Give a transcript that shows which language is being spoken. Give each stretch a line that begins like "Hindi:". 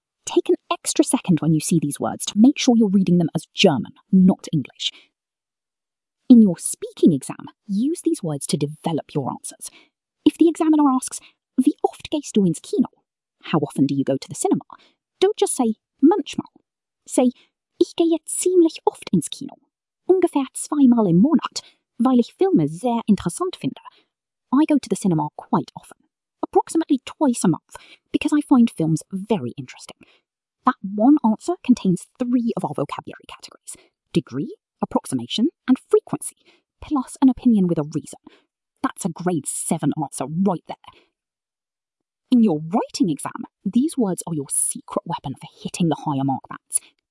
English: Take an extra second when you see these words to make sure you're reading them as German, not English. In your speaking exam, use these words to develop your answers. If the examiner asks,
German: wie oft gehst du ins Kino?
English: How often do you go to the cinema? Don't just say, manchmal. Say,
German: ich gehe ziemlich oft ins Kino. Ungefähr zweimal im Monat, weil ich Filme sehr interessant finde.
English: I go to the cinema quite often. Approximately twice a month, because I find films very interesting. That one answer contains three of our vocabulary categories: degree, approximation, and frequency, plus an opinion with a reason. That's a grade 7 answer right there. In your writing exam, these words are your secret weapon for hitting the higher mark bands.